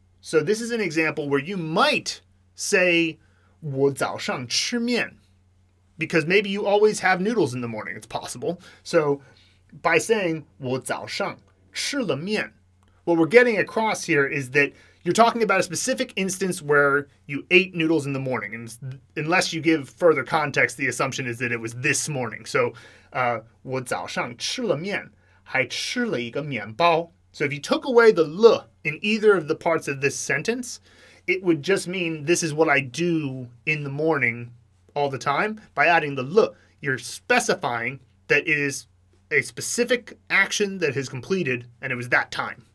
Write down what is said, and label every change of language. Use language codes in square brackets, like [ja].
[en] So this is an example where you might say [zh] 我早上吃面, [en] because maybe you always have noodles in the morning, it's possible. So by saying [zh] 我早上吃了面, [en] what we're getting across here is that you're talking about a specific instance where you ate noodles in the morning. And unless you give further context, the assumption is that it was this morning. So, [zh] 我早上吃了面,还吃了一个面包. [en] So if you took away the 了 in either of the parts of this sentence, it would just mean this is what I do in the morning all the time. By adding the 了, you're specifying that it is a specific action that has completed and it was that time.